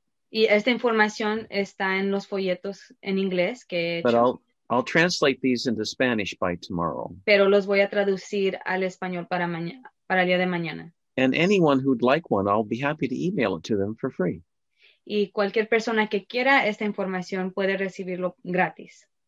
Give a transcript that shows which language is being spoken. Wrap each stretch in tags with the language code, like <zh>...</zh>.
<es>Y esta información está en los folletos en inglés que he hecho.</es> <en>But I'll translate these into Spanish by tomorrow.</en> <es>Pero los voy a traducir al español para mañana, para el día de mañana.</es> <en>And anyone who'd like one, I'll be happy to email it to them for free.</en> <es>Y cualquier persona que quiera esta información puede recibirlo gratis.</es>